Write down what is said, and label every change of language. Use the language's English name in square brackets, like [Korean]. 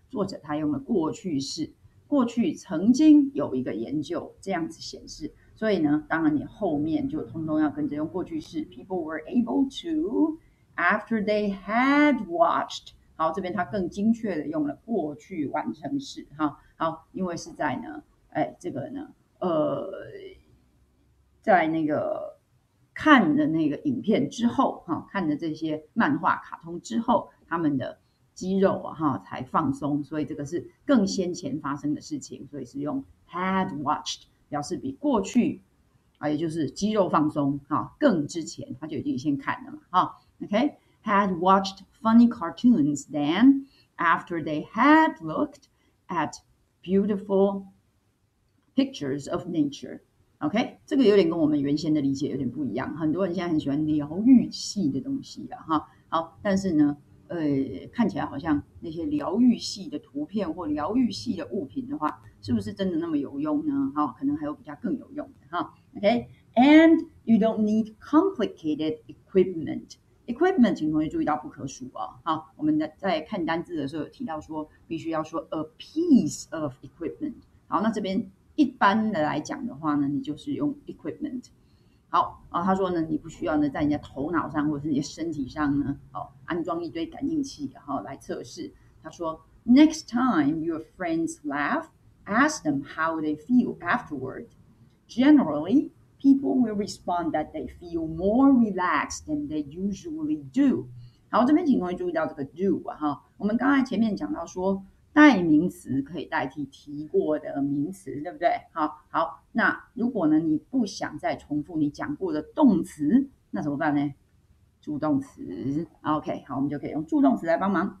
[Chinese] 作者他用了过去式，过去曾经有一个研究这样子显示，所以呢，当然你后面就通通要跟着用过去式。 [English] People were able to after they had watched。 [Chinese] 好，这边他更精确的用了过去完成式。哈，好，因为是在呢，哎，这个呢，在那个看的那个影片之后，哈，看的这些漫画、卡通之后，他们的。肌肉啊哈才放松，所以这个是更先前发生的事情，所以是用 [English] had watched [Chinese] 表示比过去啊，也就是肌肉放松哈更之前，他就已经先看了嘛哈。 [English] OK， had watched funny cartoons then after they had looked at beautiful pictures of nature。 [Chinese] OK，这个有点跟我们原先的理解有点不一样。很多人现在很喜欢疗愈系的东西啊，哈。好，但是呢，看起来好像那些疗愈系的图片或疗愈系的物品的话，是不是真的那么有用呢？哈，可能还有比较更有用的哈。 [English] OK，and you don't need complicated equipment。 [Chinese] Equipment，请同学注意到不可数哦。好，我们在看单字的时候有提到说，必须要说 [English] a piece of equipment。 [Chinese] 好，那这边一般的来讲的话呢，你就是用 equipment。好，然后他说呢，你不需要呢在人家头脑上或者是你的身体上呢，哦，安装一堆感应器，然后来测试。他说， [English] Next time your friends laugh, ask them how they feel afterward. Generally, people will respond that they feel more relaxed than they usually do。 [Chinese] 好，这边请同学注意到这个 do 啊，哈，我们刚才前面讲到说，代名词可以代替提过的名词，对不对？好，好，那如果呢，你不想再重复你讲过的动词，那怎么办呢？助动词，OK，好，我们就可以用助动词来帮忙。